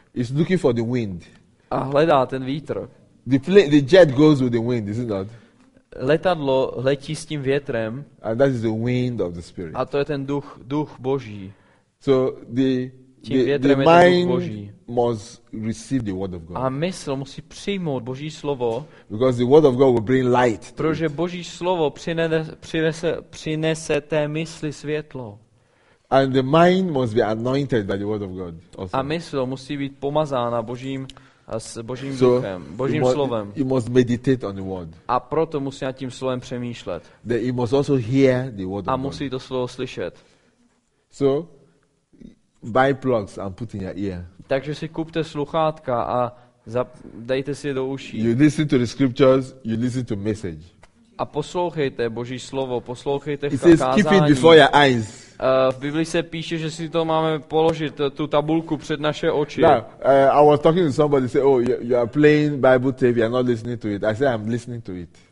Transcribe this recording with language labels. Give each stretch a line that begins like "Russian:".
English: It's looking for the wind.
Czech: A hledá ten vítr.
English: The jet goes with the wind, isn't it?
Czech: Letadlo letí s tím větrem.
English: And that is the wind of the spirit.
Czech: A to je ten duch Boží.
English: So the mind must receive the word of God.
Czech: A mysl musí přijmout Boží slovo.
English: Because the word of God will bring light.
Czech: Protože Boží slovo přinese té mysli světlo.
English: And the mind must be anointed by the word of God also.
Czech: A mysl musí být pomazána Božím duchem, Božím slovem.
English: You must meditate on the word.
Czech: A proto musí nad tím slovem přemýšlet.
English: Then you must also hear the word of God.
Czech: A musí to slovo slyšet.
English: So buy plugs and put in your ear.
Czech: Takže si kupte sluchátka a dejte si je do uší.
English: You listen to the scriptures, you listen to message.
Czech: A poslouchejte Boží slovo, poslouchejte kázání.
English: It says keep it before your eyes.
Czech: V Biblii se píše, že si to máme položit tu tabulku před naše oči.
English: Now, I was talking to somebody say, "Oh, you are playing Bible tape, you are not listening to it." I said, "I'm listening to it."